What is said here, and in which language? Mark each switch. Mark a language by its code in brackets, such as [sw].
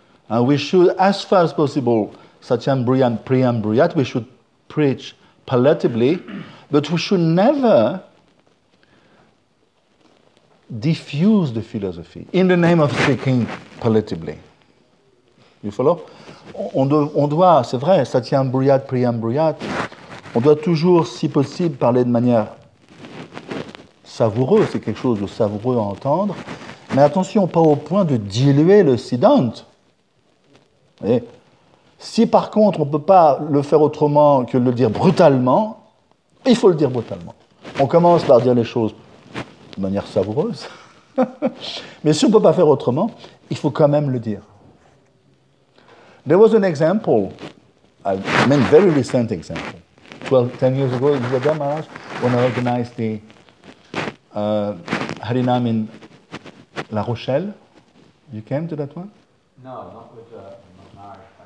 [en] And we should, as far as possible, [sa] Satyam Bruyan Priyam Bruyat, [en] we should preach palatably, but we should never diffuse the philosophy in the name of speaking palatably. You follow? [fr] On doit, c'est vrai, [sa] satyam bruyat, priyam bruyat, [fr] on doit toujours, si possible, parler de manière savoureuse, c'est quelque chose de savoureux à entendre, Mais attention, pas au point de diluer le Siddhanta. Et si par contre on ne peut pas le faire autrement que le dire brutalement, il faut le dire brutalement. On commence par dire les choses de manière savoureuse. Mais si on ne peut pas faire autrement, il faut quand même le dire. [en] There was an example, I mean very recent example, 10 years ago, when I organized the Harinam in La Rochelle. You came to that one? No, not with the Maharaj.